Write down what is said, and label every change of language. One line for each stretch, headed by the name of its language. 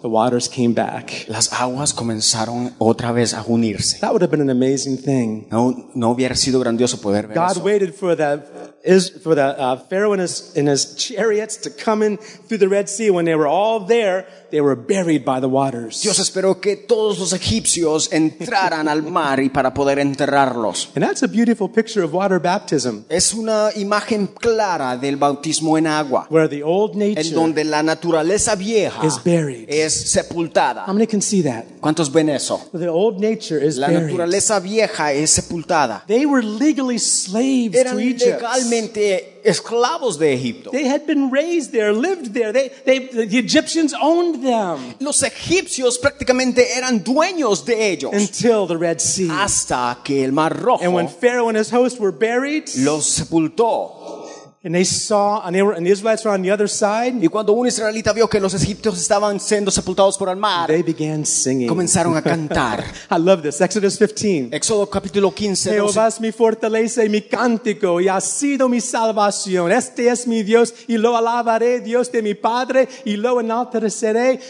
English: The waters came back.
Spanish: Las aguas comenzaron otra vez a unirse.
English: That would have been an amazing thing.
Spanish: No hubiera sido grandioso poder ver
English: God
Spanish: eso.
English: Waited for the Pharaoh and his chariots to come in through the Red Sea. When they were all there, they were buried by the waters.
Spanish: Dios esperó que todos los egipcios entraran al mar y para poder enterrarlos.
English: And that's a beautiful picture of water baptism.
Spanish: Es una imagen clara del bautismo en agua.
English: Where the old nature,
Spanish: en donde la naturaleza vieja,
English: is buried.
Spanish: Es sepultada.
English: How many can see that?
Spanish: ¿Cuántos ven eso?
English: The old nature is
Spanish: la
English: buried.
Spanish: Naturaleza vieja es sepultada.
English: They were legally slaves
Spanish: eran
English: to Egypt.
Spanish: literalmente esclavos de Egipto.
English: They had been raised there, lived there. The Egyptians owned them.
Spanish: Los egipcios prácticamente eran dueños de ellos.
English: Until the Red Sea.
Spanish: Hasta que el Mar Rojo.
English: And when Pharaoh and his host were buried,
Spanish: los sepultó.
English: And they saw, and they were, and the Israelites were on the other side.
Spanish: Y cuando un israelita vio que los egipcios estaban siendo sepultados por el mar,
English: they began singing.
Spanish: Comenzaron a cantar.
English: I love this. Exodus 15.
Spanish: Éxodo capítulo 15. Jehová es mi fortaleza y mi cántico, y ha sido mi salvación. Este es mi Dios, y lo alabaré, Dios de mi padre, y lo enalteceré.